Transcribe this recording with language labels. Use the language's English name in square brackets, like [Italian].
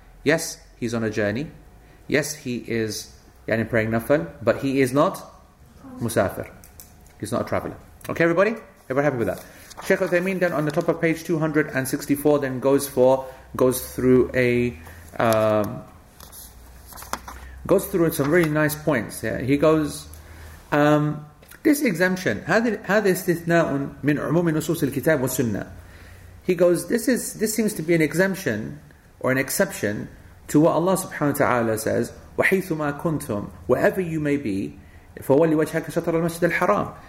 [English] Yes, he's on a journey. Yes, he is praying nafil, but he is not musafir. He's not a traveler. Okay, everybody? Everybody happy with that? Sheikh Uthaymeen then on the top of page 264 then goes through some really nice points. Yeah? He goes... this exemption, [Arabic] هذا استثناء من عموم نصوص الكتاب والسنة. [English] He goes, this seems to be an exemption or an exception to what Allah subhanahu wa ta'ala says, [Arabic] وحيثما كنتم, [English] wherever you may be, [Arabic] فولي وجهك شطر المسجد الحرام.